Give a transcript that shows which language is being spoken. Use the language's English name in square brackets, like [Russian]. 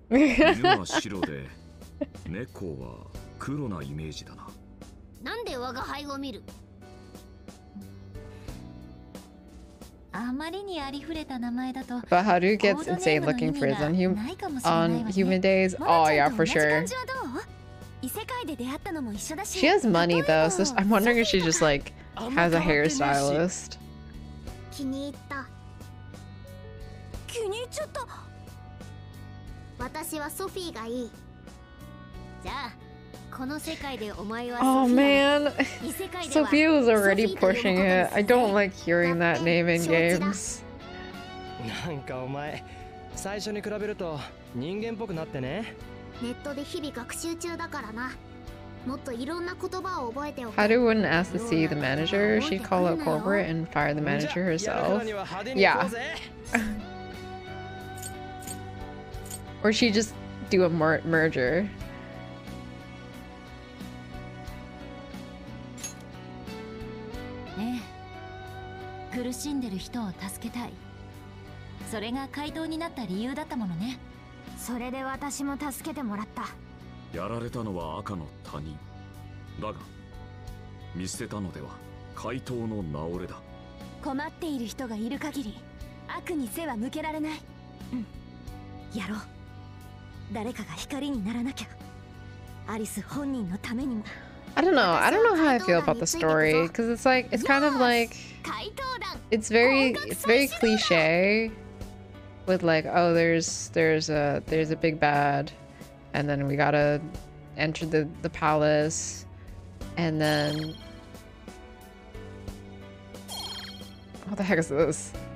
[Japanese] 犬は白で猫は黒なイメージだななんで我が輩を見るあまりにありふれた名前だと [English] But how do you get insane looking for his on human days? Oh yeah, for sure. [Japanese] 異世界で出会ったのも一緒だし [English] She has money though, so I'm wondering if she just like has a hairstylist. [Japanese] 気に入った気に入っちゃった私はソフィーがいいじゃあこの世界でお前は [English] Oh man, Sophia was already pushing it. I don't like hearing that name in games. [Japanese] なんかお前、最初に比べると人間っぽくなってね。ネットで日々学習中だからな。もっといろんな言葉を覚えておく。 [English] Haru wouldn't ask to see the manager. She'd call out corporate and fire the manager herself. Yeah. Or she'd just do a merger. [Japanese] ねえ、苦しんでる人を助けたい。それが怪盗になった理由だったものね。それで私も助けてもらった。やられたのは赤の他人だが、見捨てたのでは怪盗の名俺だ。困っている人がいる限り悪に背は向けられない。うん、やろう。誰かが光にならなきゃ。アリス本人のためにも。 [English] I don't know how I feel about the story, because it's like, it's kind of like, it's very cliche with like, oh, there's a big bad, and then we gotta enter the palace, and then, what the heck is this?